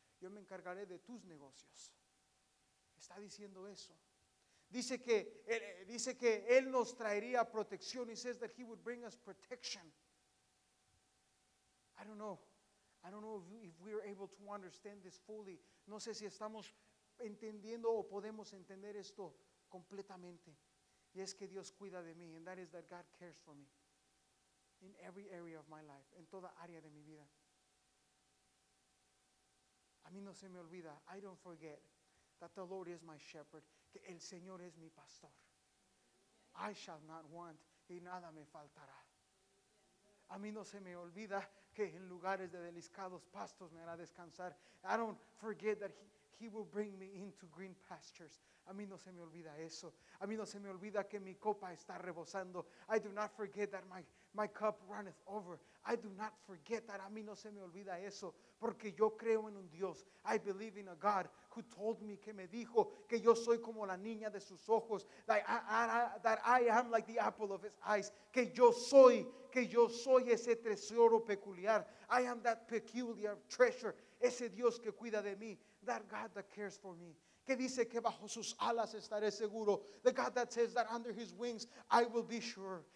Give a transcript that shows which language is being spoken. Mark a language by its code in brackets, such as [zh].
[es] Yo me encargaré de tus negocios. Está diciendo eso. Dice que él nos traería protección. [en] He says that he would bring us protection. I don't know if we are able to understand this fully. [es] No sé si estamos entendiendo o podemos entender esto completamente. Y es que Dios cuida de mí. [en] And that is that God cares for me. In every area of my life. [es] En toda área de mi vida. A mí no se me olvida. [en] I don't forget that the Lord is my shepherd. [es] Que el Señor es mi pastor. [en] I shall not want. [es] Y nada me faltará. A mí no se me olvida que en lugares de deliscados pastos me hará descansar. [en] I don't forget that He will bring me into green pastures. [es] A mí no se me olvida eso. A mí no se me olvida que mi copa está rebosando. [en] I do not forget that my cup runneth over. I do not forget that. [es] A mí no se me olvida eso. Porque yo creo en un Dios. I believe in a God who told me, que me dijo, que yo soy como la niña de sus ojos. [en] That I am like the apple of his eyes. [es] Que yo soy ese tesoro peculiar. [en] I am that peculiar treasure. [es] Ese Dios que cuida de mí. [en] That God that cares for me. [es] Que dice que bajo sus alas estaré seguro. [en] The God that says that under his wings I will be sure.